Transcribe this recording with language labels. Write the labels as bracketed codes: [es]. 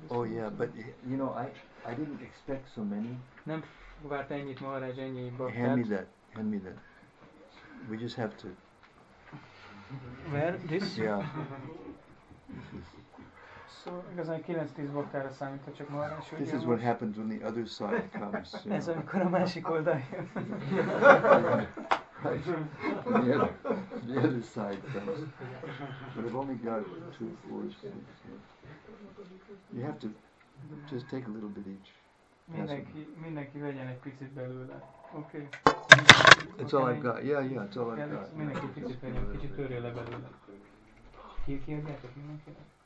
[en] Oh yeah, but you know, I didn't expect so many. [hu] Nem várt ennyit Maharaj, ennyi baktát. [en] Hand me that. We just have to. Where this? Yeah. [hu] So, igazán 9-10 baktára számít, csak Maharaj. [en] This is what happens when the other side comes. [hu] Ez amikor a másik oldal jön. [en] The other side comes. But I've only got 2, 4, 6. You have to just take a little bit each. [hu] Mindenki vegyen egy picit belőle. [en] Okay. It's all I've got. Yeah, it's all I've got. [hu] Mindenki picit vegyen, kicsit törje le belőle. Kiadjátok mindenkinek?